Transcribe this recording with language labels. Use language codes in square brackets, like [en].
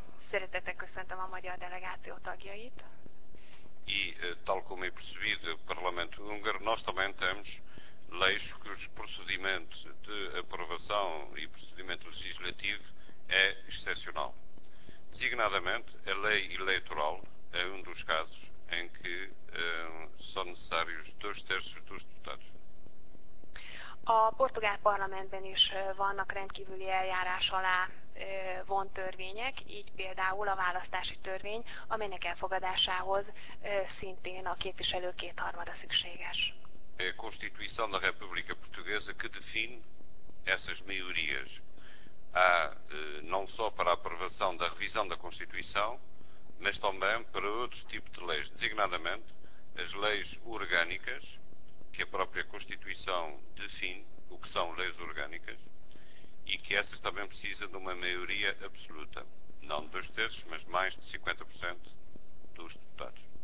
[hu] Szeretettel köszöntöm a magyar delegáció tagjait. [pt] E, tal como é percebido, o Parlamento húngaro, nós também temos leis que os procedimentos de aprovação e procedimento legislativo é excepcional. Designadamente, a lei eleitoral é um dos casos em que são necessários 2/3 dos deputados. [hu] A portugal parlamentben is vannak rendkívüli eljárás alá vont törvények, így például a választási törvény, amelynek elfogadásához szintén a képviselő kétharmada szükséges. [pt] É a Constituição da República Portuguesa que define essas maiorias. Há, não só para a aprovação da revisão da Constituição, mas também para outros tipos de leis, designadamente as leis orgânicas, que a própria Constituição define o que são leis orgânicas, e que essas também precisam de uma maioria absoluta, não de 2/3, mas mais de 50% dos deputados.